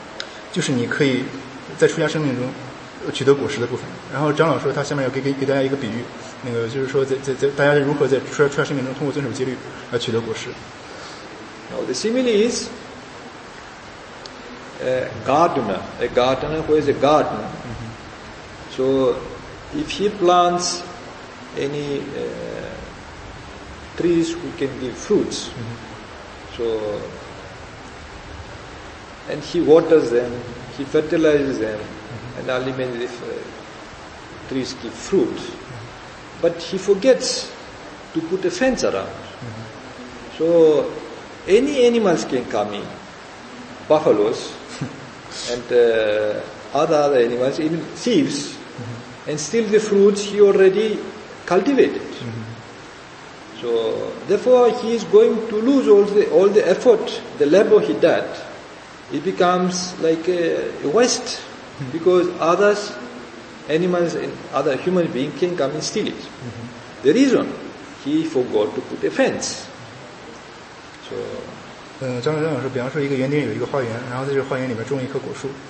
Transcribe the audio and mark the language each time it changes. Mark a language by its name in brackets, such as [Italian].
[Chinese] 张老师说呢，这个大家可以把这个增上界看成一像篱笆，然后就去保护自己的出家身份，然后在这个篱笆里边所包住的部分，就是你可以在出家生命中 取得果实的部分，然后张老师他下面要给大家一个比喻，那个就是说在大家如何在出家生命中通过遵守戒律而取得果实。Now [English] the simile is a gardener who is a gardener. So if he plants any trees who can give fruits, so and he waters them, he fertilizes them. And only many trees give fruit. But he forgets to put a fence around. So any animals can come in. buffaloes and other animals, even thieves, and steal the fruits he already cultivated. So therefore he is going to lose all the effort, the labor he did. It becomes like a waste, because others, animals and other human beings can come and steal it. The reason, he forgot to put a fence. So [Chinese] 张老师比方说一个园丁有一个花园，然后在这个花园里面种一棵果树。